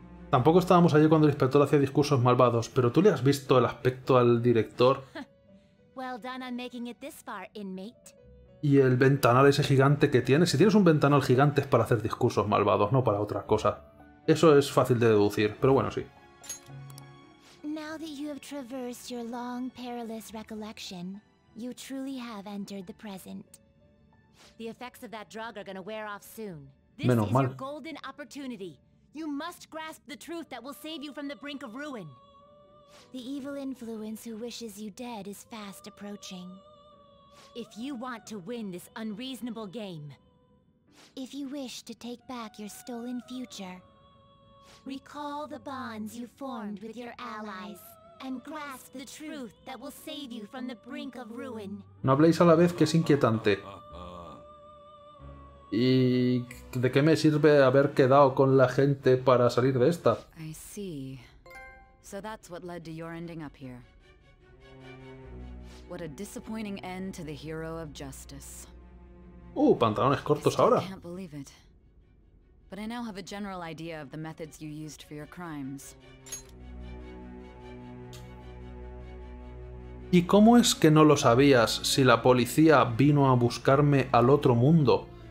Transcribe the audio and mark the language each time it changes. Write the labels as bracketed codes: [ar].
[es] Tampoco estábamos allí cuando el inspector hacía discursos malvados, pero tú le has visto el aspecto al director. [en] Well done on making it this far, inmate. [es] Y el ventanal ese gigante que tiene. Si tienes un ventanal gigante es para hacer discursos malvados, no para otra cosa. Eso es fácil de deducir, pero bueno, sí. [en] Now that you have traversed your long, perilous recollection, you truly have entered the present. The effects of that drug are going to wear off soon. This [es] Menos [en] is [es] mal. [en] Your golden opportunity. You must grasp the truth that will save you from the brink of ruin. The evil influence who wishes you dead is fast approaching. If you want to win this unreasonable game, if you wish to take back your stolen future, recall the bonds you formed with your allies and grasp the truth that will save you from the brink of ruin. [es] No habléis a la vez, que es inquietante. ¿Y de qué me sirve haber quedado con la gente para salir de esta? [en] I see. So that's what led to your ending up here. What a disappointing end to the hero of justice. [es] Pantalones cortos ahora. [en] I can't believe it. But I now have a general idea of the methods you used for your crimes. [es] ¿Y cómo es que no lo sabías si la policía vino a buscarme al otro mundo?